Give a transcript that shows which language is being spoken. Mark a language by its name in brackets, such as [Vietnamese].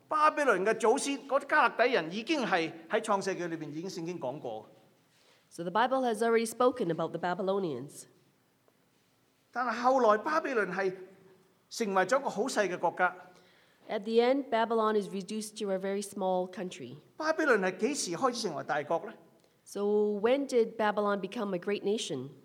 [Cantonese] 巴比倫嘅祖先，嗰啲加勒底人已經係喺創世記裏邊已經聖經講過。 [English] So the Bible has already spoken about the Babylonians. [Cantonese] 但係後來巴比倫係成為咗個好細嘅國家。 [English] At the end, Babylon is reduced to a very small country. [Cantonese] 巴比倫係幾時開始成為大國咧？ [English] So when did Babylon become a great nation?